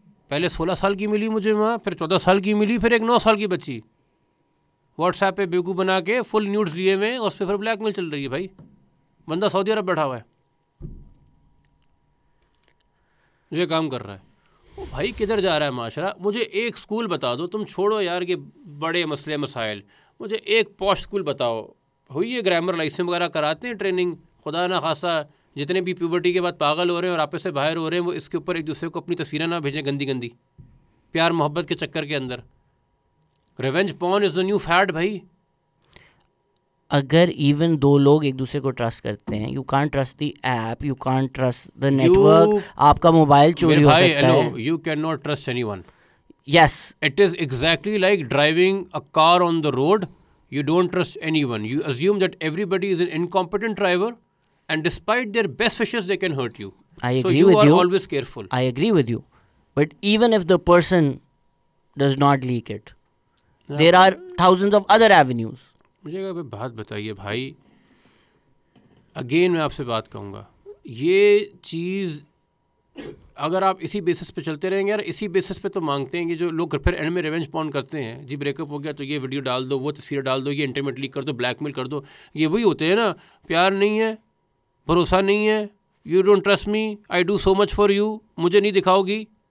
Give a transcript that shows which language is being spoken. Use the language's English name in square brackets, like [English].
[Urdu] پہلے 16 سال کی ملی مجھے وہاں, پھر 14 سال کی ملی, پھر ایک 9 سال کی بچی واٹس ایپ پہ بیوکو بنا کے فل نیوڈز لیے ہوئے ہیں, اس پہ پھر بلیک میل چل رہی ہے. بھائی بندہ سعودی عرب بیٹھا ہوا ہے یہ کام کر رہا ہے, بھائی کدھر جا رہا ہے معاشرہ؟ مجھے ایک اسکول بتا دو, تم چھوڑو یار کہ بڑے مسئلے مسائل, مجھے ایک پوش اسکول بتاؤ. ہوئی ہے گرامر لائسنس وغیرہ کراتے ہیں ٹریننگ, خدا نہ خاصہ جتنے بھی پیوبرٹی کے بعد پاگل ہو رہے ہیں اور آپس سے باہر ہو رہے ہیں, وہ اس کے اوپر ایک دوسرے کو اپنی تصویریں نہ بھیجیں گندی گندی پیار محبت کے چکر کے اندر. [English] Revenge porn is the new feed بھائی. [Urdu] اگر ایون دو لوگ ایک دوسرے کو ٹرسٹ کرتے ہیں, [English] you can't trust the app, you can't trust the network, [Urdu] آپ کا موبائل چوری ہو سکتا ہے. [English] You can not trust anyone. Yes it is exactly like driving a car on the road. You don't trust anyone. You assume that everybody is an incompetent driver and despite their best wishes, they can hurt you. I agree with you. I agree with you. But even if the person does not leak it, there are thousands of other avenues. [Urdu] مجھے کہا بات بتائیے بھائی. Again, میں آپ سے بات کہوں گا, یہ چیز اگر آپ اسی بیسس پہ چلتے رہیں گے اور اسی بیسس پہ تو مانگتے ہیں کہ جو لوگ پھر اینڈ میں ریونج پون کرتے ہیں, جی بریک اپ ہو گیا تو یہ ویڈیو ڈال دو, وہ تصویر ڈال دو, یہ انٹرمیٹ لیک کر دو, بلیک میل کر دو, یہ وہی ہوتے ہیں نا, پیار نہیں ہے, بھروسہ نہیں ہے, [English] you don't trust me, I do so much for you, [Urdu] مجھے نہیں دکھاؤ گی.